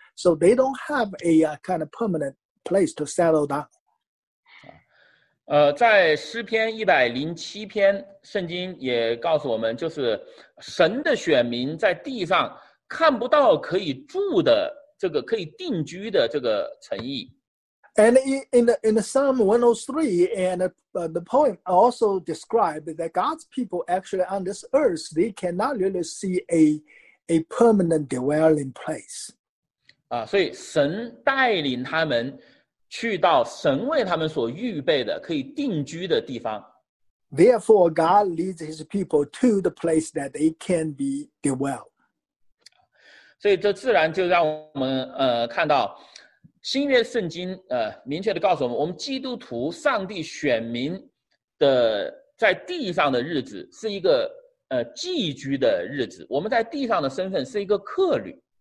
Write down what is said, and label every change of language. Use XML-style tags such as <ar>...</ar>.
<en>So they don't have a kind of permanent place to settle down.</en> <zh>在诗篇107篇圣经也告诉我们就是神的选民在地上看不到可以住的这个可以定居的这个诚意。</zh> <en>And in the Psalm 103 and the poem also described that God's people actually on this earth they cannot really see a permanent dwelling place.</en> <zh>所以神带领他们去到神为他们所预备的可以定居的地方。</zh> <en>Therefore, God leads His people to the place that they can be dwell.</en> <zh>所以这自然就让我们看到新约圣经明确的告诉我们，我们基督徒上帝选民的在地上的日子是一个寄居的日子，我们在地上的身份是一个客旅。</zh>